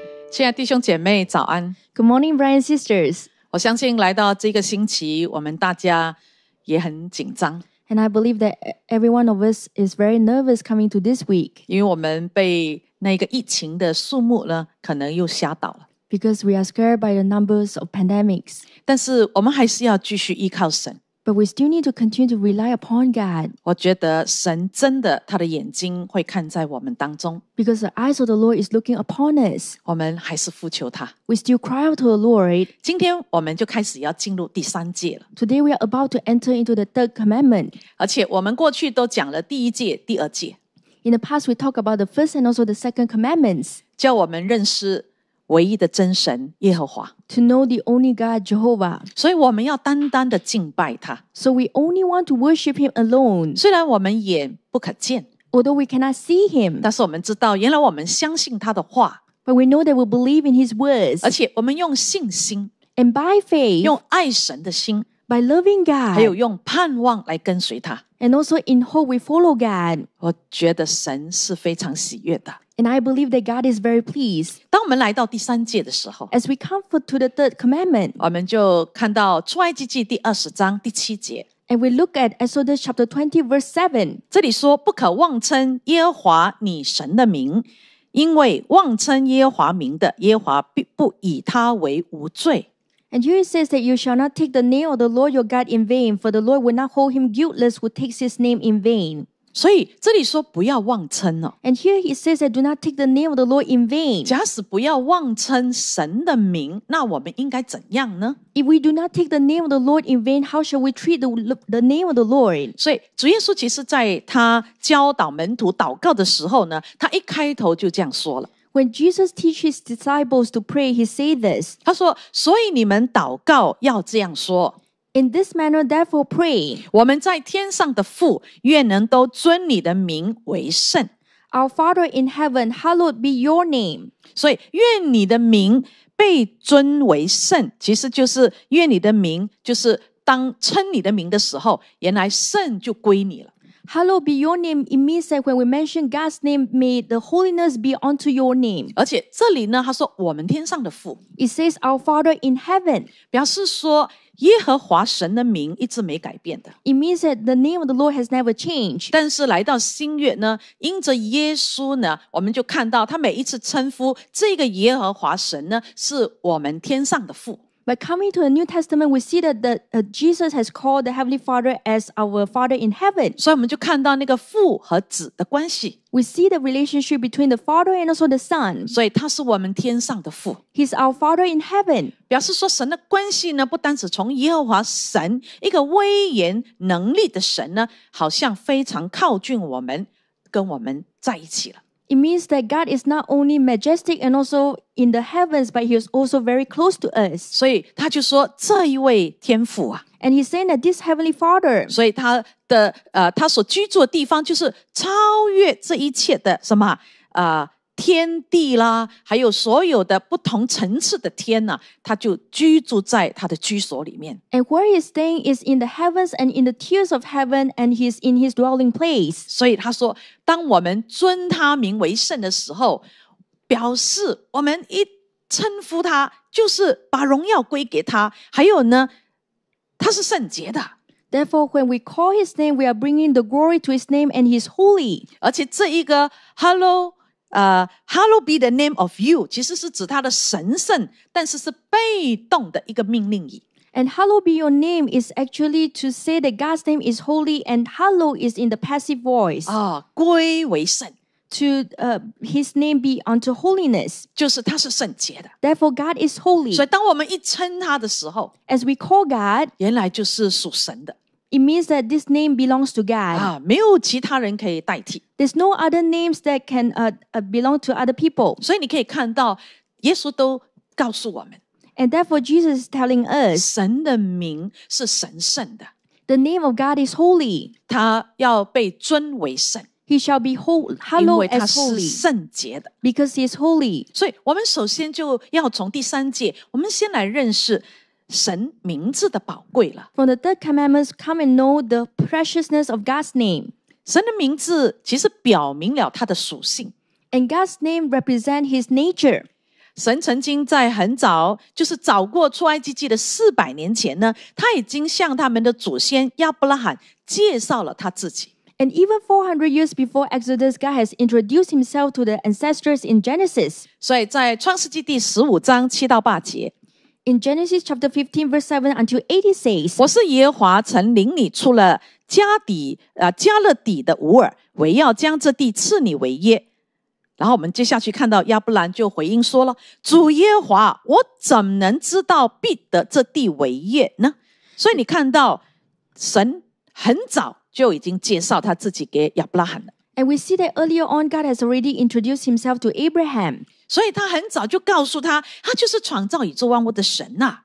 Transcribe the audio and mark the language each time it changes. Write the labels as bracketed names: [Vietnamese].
[Chinese] 亲爱的弟兄姐妹早安。 [English] Good morning, Brian sisters. [Chinese] 我相信来到这个星期我们大家也很紧张。 [English] And I believe that every one of us is very nervous coming to this week. [Chinese] 因为我们被那个疫情的数目呢可能又吓到了。 [English] Because we are scared by the numbers of pandemics. [Chinese] 但是我们还是要继续依靠神。 [English] But we still need to continue to rely upon God. [Chinese] 我觉得神真的他的眼睛会看在我们当中。 [English] Because the eyes of the Lord is looking upon us. [Chinese] 我们还是呼求他。 [English] We still cry out to the Lord. [Chinese] 今天我们就开始要进入第三诫了。 [English] Today we are about to enter into the third commandment. [Chinese] 而且我们过去都讲了第一诫、第二诫。 [English] In the past, we talk about the first and also the second commandments. [Chinese] 叫我们认识唯一的真神耶和华。 [English] To know the only God, Jehovah. [Chinese] 所以我们要单单的敬拜他。 [English] So we only want to worship him alone. [Chinese] 虽然我们眼不可见。 [English] Although we cannot see him. [Chinese] 但是我们知道原来我们相信他的话。 [English] But we know that we believe in his words. [Chinese] 而且我们用信心。 [English] And by faith. [Chinese] 用爱神的心。 [English] By loving God. [Chinese] 还有用盼望来跟随他。 [English] And also in hope we follow God. [Chinese] 我觉得神是非常喜悦的。 [English] And I believe that God is very pleased. [Chinese] 当我们来到第三诫的时候， [English] As we come to the third commandment, [Chinese] 我们就看到出埃及记第二十章第七节。 [English] And we look at Exodus chapter 20 verse 7. [Chinese] 这里说不可妄称耶和华你神的名，因为妄称耶和华名的，耶和华必不以他为无罪。 [English] And here it says that you shall not take the name of the Lord your God in vain, for the Lord will not hold him guiltless who takes his name in vain. [Chinese] 所以这里说不要妄称哦。 [English] And here it says that do not take the name of the Lord in vain. [Chinese] 假使不要妄称神的名，那我们应该怎样呢？ [English] If we do not take the name of the Lord in vain, how shall we treat the name of the Lord? [Chinese] 所以主耶稣其实在他教导门徒祷告的时候呢，他一开头就这样说了。 [English] When Jesus teaches his disciples to pray, he said this. [Chinese] 他说，所以你们祷告要这样说。 [English] In this manner, therefore pray. [Chinese] 我们在天上的父，愿能都尊你的名为圣。 [English] Our Father in heaven, hallowed be your name. [Chinese] 所以愿你的名被尊为圣，其实就是愿你的名，就是当称你的名的时候，原来圣就归你了。 [English] Hallowed be your name, it means that when we mention God's name, may the holiness be unto your name. [Chinese] 而且这里呢，他说我们天上的父。 [English] It says our Father in heaven. [Chinese] 表示说耶和华神的名一直没改变的。 [English] It means that the name of the Lord has never changed. [Chinese] 但是来到新约呢，因着耶稣呢，我们就看到他每一次称呼这个耶和华神呢，是我们天上的父。 [English] But coming to the New Testament, we see that Jesus has called the Heavenly Father as our Father in heaven. [Chinese] 所以我们就看到那个父和子的关系。 [English] We see the relationship between the Father and also the Son. [Chinese] 所以他是我们天上的父。 [English] He's our Father in heaven. [Chinese] 表示说神的关系呢，不单只从耶和华神，一个威严能力的神呢，好像非常靠近我们，跟我们在一起了。 [English] It means that God is not only majestic and also in the heavens, but he is also very close to us. [Chinese] 所以他就说这一位天父啊。 [English] And he's saying that this heavenly father. [Chinese] 所以他的他所居住的地方就是超越这一切的什么天地啦，还有所有的不同层次的天呢，他就居住在他的居所里面。 [English] And where he's staying is in the heavens and in the tiers of heaven, and he's in his dwelling place. [Chinese] 所以他说，当我们尊他名为圣的时候，表示我们一称呼他，就是把荣耀归给他。还有呢，他是圣洁的。 [English] Therefore, when we call his name, we are bringing the glory to his name, and he's holy. [Chinese] 而且这一个 [English] hello。Hallowed be the name of you, [Chinese] 其实是指他的神圣，但是是被动的一个命令语。 [English] And hallowed be your name is actually to say that God's name is holy and hallowed is in the passive voice. [Chinese] 归为圣。 [English] To his name be unto holiness. [Chinese] 就是他是圣洁的。 [English] Therefore, God is holy. [Chinese] 所以当我们一称他的时候， [English] As we call God, [Chinese] 原来就是属神的。 [English] It means that this name belongs to God. [Chinese] 没有其他人可以代替。 [English] There's no other names that can belong to other people. [Chinese] 所以你可以看到，耶稣都告诉我们。 [English] And therefore Jesus is telling us. [Chinese] 神的名是神圣的。 [English] The name of God is holy. [Chinese] 他要被尊为圣。 [English] He shall be whole, hallowed as holy. [Chinese] 因为他是圣洁的。 [English] Because he is holy. [Chinese] 所以我们首先就要从第三节，我们先来认识神名字的宝贵了。 [English] From the third commandments, come and know the preciousness of God's name. [Chinese] 神的名字其实表明了他的属性。 [English] And God's name represents his nature. [Chinese] 神曾经在很早，就是早过出埃及记的400年前呢，他已经向他们的祖先亚伯拉罕介绍了他自己。 [English] And even 400 years before Exodus, God has introduced himself to the ancestors in Genesis. [Chinese] 所以在创世纪第15章7到8节。 [English] In Genesis chapter 15, verse 7 until 8, it says, [Chinese] 我是耶和华曾领你出了加勒底的吾尔，为要将这地赐你为业。然后我们接下去看到亚伯兰就回应说了，主耶和华，我怎能知道必得这地为业呢？所以你看到神很早就已经介绍他自己给亚伯拉罕了。 [English] And we see that earlier on, God has already introduced himself to Abraham. [Chinese] 所以他很早就告诉他，他就是创造宇宙万物的神啊。